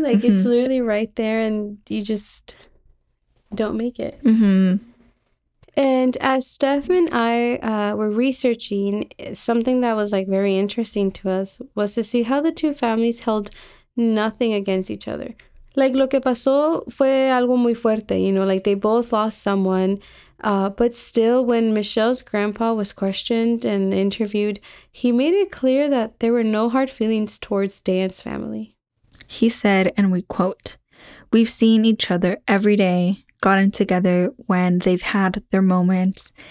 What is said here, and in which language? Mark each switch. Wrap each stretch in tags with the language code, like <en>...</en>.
<en>Like, it's literally right there, and you just don't make it. And as Steph and I were researching, something that was like very interesting to us was to see how the two families held nothing against each other. Like,</en> <es>lo que pasó fue algo muy fuerte,</es> <en>you know, like they both lost someone. But still, when Michelle's grandpa was questioned and interviewed, he made it clear that there were no hard feelings towards Dan's family. He said, and we quote, "We've seen each other every day, gotten together when they've had their moments.</en>